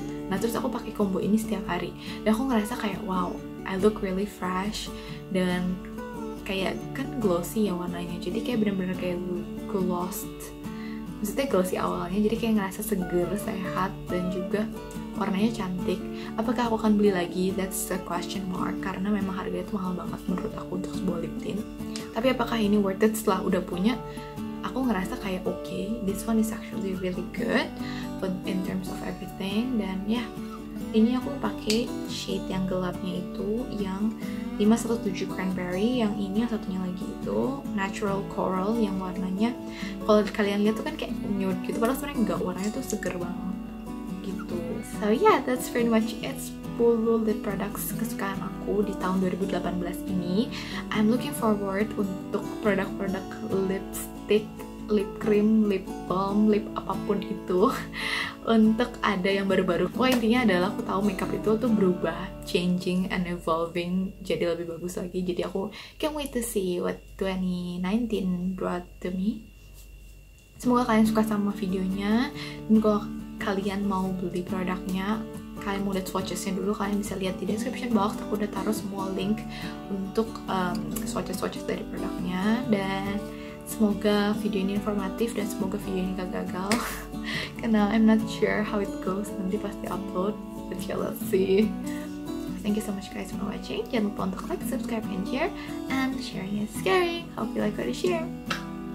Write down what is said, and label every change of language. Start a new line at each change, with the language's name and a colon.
Indonesian: Nah terus aku pakai combo ini setiap hari dan aku ngerasa kayak wow, I look really fresh dan kayak kan glossy ya warnanya, jadi kayak benar-benar kayak glossed. Maksudnya glossy awalnya, jadi kayak ngerasa seger, sehat, dan juga warnanya cantik. Apakah aku akan beli lagi? That's a question mark. Karena memang harganya itu mahal banget menurut aku untuk sebuah lip tint. Tapi apakah ini worth it setelah udah punya?
English: Aku ngerasa kayak okay, this one is actually really good but in terms of everything.
Indonesian: Dan ya, ini aku pakai shade yang gelapnya itu, yang 517 Cranberry, yang ini yang satunya lagi itu Natural Coral, yang warnanya kalau kalian lihat tuh kan kayak nude gitu, padahal sebenarnya enggak, warnanya tuh seger banget gitu.
English: So yeah, that's pretty much it, 10 lip products kesukaan aku di tahun 2018 ini.
Indonesian: I'm looking forward untuk produk-produk lipstick, lip cream, lip balm, lip apapun itu untuk ada yang baru-baru. Oh, intinya adalah aku tahu makeup itu tuh berubah, changing and evolving, jadi lebih bagus lagi.
English: Jadi aku can't wait to see what 2019 brought to me.
Indonesian: Semoga kalian suka sama videonya. Dan kalau kalian mau beli produknya, kalian mau lihat swatches-nya dulu, kalian bisa lihat di description box. Aku udah taruh semua link untuk swatches-swatches dari produknya. Dan semoga video ini informatif dan semoga video ini gak gagal.
English: Karena I'm not sure how it goes, nanti pasti upload, but yeah, let's see. Thank you so much guys for watching. Jangan lupa untuk like, subscribe, and share. And sharing is caring. Hope you like what you share.